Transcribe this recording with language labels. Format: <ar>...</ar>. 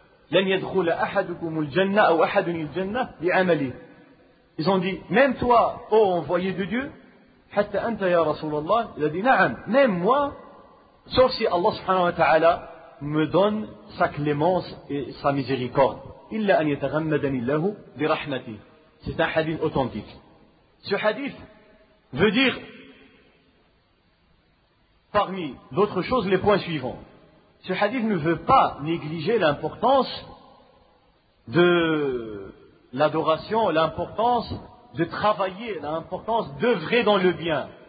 <ar>لن يدخل أحدكم الجنة أو أحد الجنة بعمله.</ar> <fr>Ils ont dit, même toi, ô envoyé de Dieu,</fr> <ar>حتى أنت يا رسول الله,</ar> <fr>il a dit, نعم, même moi, sauf si Allah subhanahu wa ta'ala me donne sa clémence et sa miséricorde.</fr> <ar>إلا أن يتغمدني الله برحمته.</ar> <fr>C'est un hadith authentique. Ce hadith veut dire, parmi d'autres choses, les points suivants. Ce hadith ne veut pas négliger l'importance de l'adoration, l'importance de travailler, l'importance d'œuvrer dans le bien.</fr>